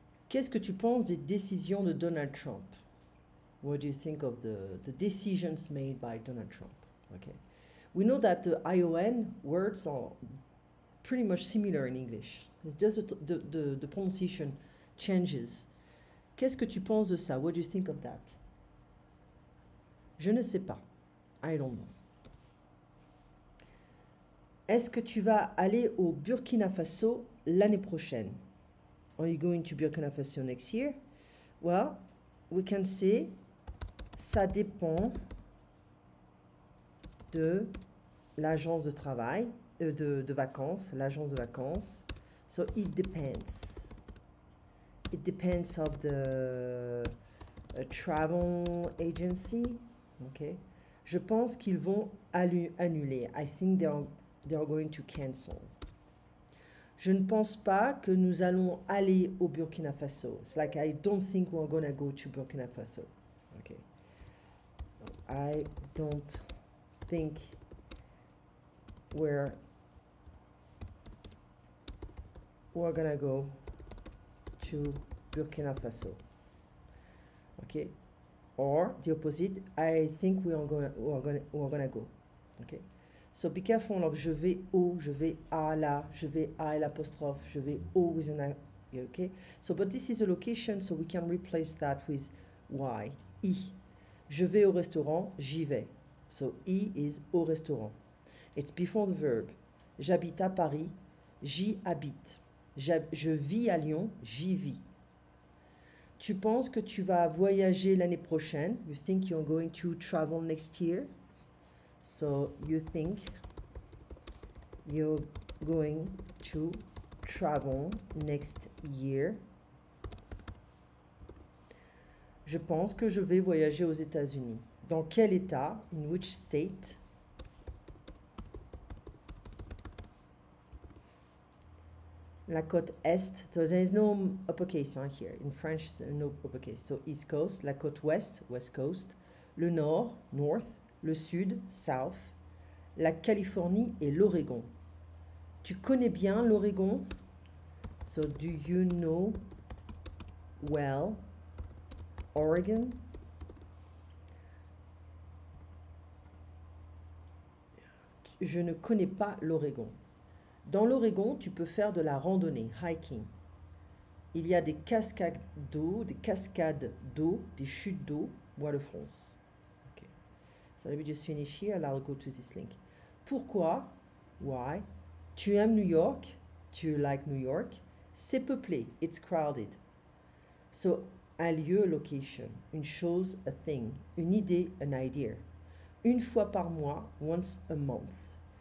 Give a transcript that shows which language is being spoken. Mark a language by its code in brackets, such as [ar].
[fr] Qu'est-ce que tu penses des décisions de Donald Trump? [en] What do you think of the decisions made by Donald Trump? Okay. We know that the ION words are pretty much similar in English. It's just the pronunciation changes. [fr] Qu'est-ce que tu penses de ça? [en] What do you think of that? [fr] Je ne sais pas. [en] I don't know. [fr] Est-ce que tu vas aller au Burkina Faso l'année prochaine? [en] Are you going to Burkina Faso next year? Well, we can say [fr] ça dépend de l'agence de travail, de vacances, l'agence de vacances. [en] So it depends of the travel agency. Okay. [fr] Je pense qu'ils vont annuler. [en] I think they are going to cancel. [fr] Je ne pense pas que nous allons aller au Burkina Faso. [en] It's like, I don't think we're going to go to Burkina Faso. Okay. So, I don't think we're going to go to Burkina Faso. Okay. Or the opposite, I think we're going to go. Okay. So be careful of [fr] je vais au, je vais à la, je vais à l'apostrophe, je vais au [en] with an I. Okay? So, but this is a location, so we can replace that with why. I. [fr] Je vais au restaurant, j'y vais. [en] So, I is au restaurant. It's before the verb. [fr] J'habite à Paris, j'y habite. Je vis à Lyon, j'y vis. Tu penses que tu vas voyager l'année prochaine? [en] You think you're going to travel next year? So, you think you're going to travel next year? [fr] Je pense que je vais voyager aux États-Unis. Dans quel état? [en] In which state? [fr] La côte est. [en] So, there is no uppercase hein, here. In French, there is no uppercase. So, East Coast. [fr] La côte ouest, West Coast. Le nord, North. Le sud, south, la Californie et l'Oregon. Tu connais bien l'Oregon? [en] So, do you know well Oregon? [fr] Je ne connais pas l'Oregon. Dans l'Oregon, tu peux faire de la randonnée, hiking. Il y a des cascades d'eau, des chutes d'eau, Bois de France. [en] So let me just finish here and I'll go to this link. [fr] Pourquoi? [en] Why? [fr] Tu aimes New York? [en] Do you like New York? [fr] C'est peuplé. [en] It's crowded. So, [fr] un lieu, [en] location. [fr] Une chose, [en] a thing. [fr] Une idée, [en] an idea. [fr] Une fois par mois, [en] once a month.